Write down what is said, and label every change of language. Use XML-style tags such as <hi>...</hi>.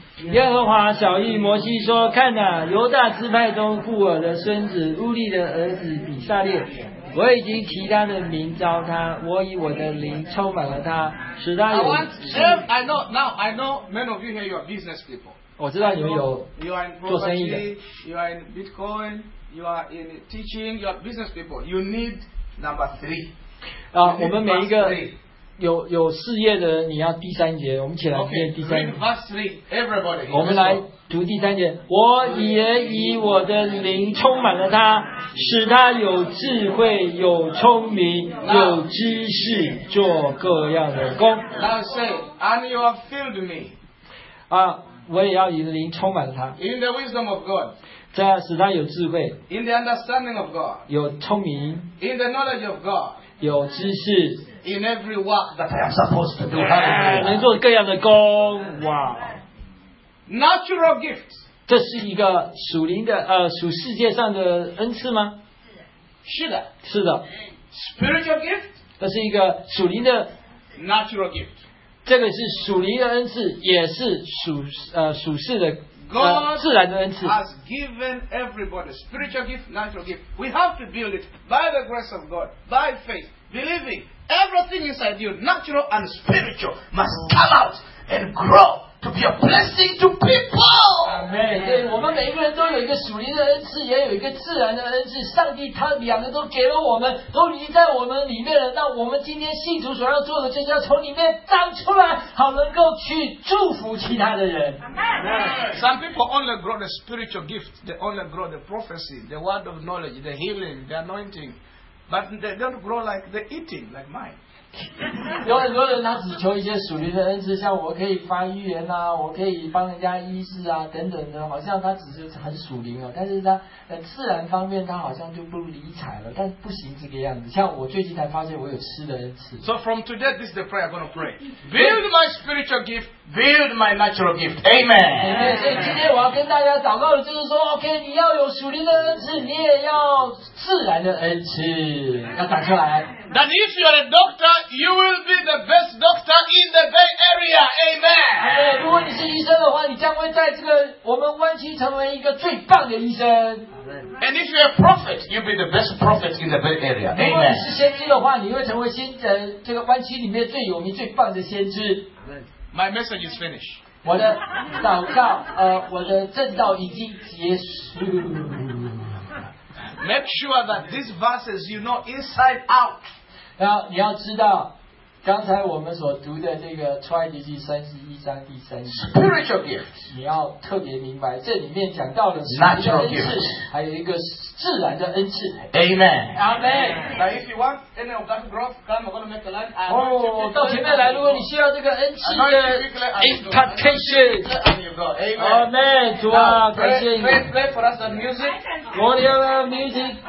<zh>耶和华小谕摩西说：看哪、啊、犹大支派中户尔的孙子乌利的儿子比撒列，我已经提他的名召他，我以我的灵充满了他，使他有。</zh> <en>I know many of you here you are business people.</en> <zh>我知道你们有做生意的。</zh> <en>You are in Bitcoin, you are in teaching, you are business people. You need number three.</en> <zh>啊，我们每一个有事业的，你要第三节，我们起来念第三节。</zh> <en>Okay, verse three, everybody.</en> <zh>我们来读第三节，我也以我的灵充满了他，使他有智慧、有聪明、有知识，做各样的工。</zh> <en>Now say, and you have filled me.</en> <zh>啊，我也要以灵充满了他。</zh> <en>In the wisdom of God.</en> <zh>这使他有智慧。</zh> <en>In the understanding of God.</en> <zh>有聪明。</zh> <en>In the knowledge of God.</en> <zh>有知识。</zh> <en>In every work that I am supposed to do. Yeah,</en> <zh>能做各样的工，哇。</zh> <en>Natural gift.</en> <zh>这是一个属灵的属世界上的恩赐吗？是的。是的。</zh> <en>Spiritual gift.</en> <zh>这是一个属灵的。</zh> <en>Natural gift.</en> <zh>这个是属灵的恩赐，也是属世的自然的恩赐。</zh> <en>God has given everybody spiritual gift, natural gift. We have to build it by the grace of God, by faith, believing. Everything inside you, natural and spiritual, must come out and grow. To be a blessing to people. Amen.</en> <zh>对，我们每一个人都有一个属灵的恩赐，也有一个自然的恩赐。上帝他两个都给了我们，都已经在我们里面了。那我们今天信徒所要做的，就是要从里面长出来，好能够去祝福其他的人。</zh> <en>Amen. Some people only grow the spiritual gift. They only grow the prophecy, the word of knowledge, the healing, the anointing, but they don't grow like the eating, like mine.</en> <zh>有很多人他只求一些属灵的恩赐，像我可以发预言啊，我可以帮人家医治啊等等的，好像他只是很属灵啊，但是他自然方面他好像就不理睬了，但不行这个样子。像我最近才发现我有吃的恩赐。</zh> <en>So from today this is the prayer I'm going to pray. Build my spiritual gift, build my natural gift. Amen. Amen.</en> <zh>所以今天我要跟大家祷告的就是说 OK, 你要有属灵的恩赐，你也要自然的恩赐要长出来。</zh> <en>That if you are a doctor, you will be the best doctor in the Bay Area. Amen.</en> <zh>如果你是医生的话，你将会在这个我们湾区成为一个最棒的医生。</zh> <en>And if you are a prophet, you'll be the best prophet in the Bay Area. Amen.</en> <zh>如果你是先知的话，你会成为先这个湾区里面最有名、最棒的先知。</zh> <en>My message is finished.</en> <zh>我的祷告，我的正道已经结束。</zh> <en>Make sure that these verses you know inside out.</en> <zh>你要知道，刚才我们所读的这个出埃及记三十一章第三节。</zh> <en>Spiritual gift.</en> <zh>你要特别明白，这里面讲到的是</zh> <en>natural gift,</en> <zh>还有一个自然的恩赐。</zh> <en>Amen. Amen. Now, if you want any of that growth, come. We're going to make a line.</en> <zh>到前面来，如果你需要这个恩赐的 impartation,</zh> <en>and you go. Amen.</en> <zh>Amen. 主啊，感谢你。</zh> <en>Pray for us the music. Glory of music.</en>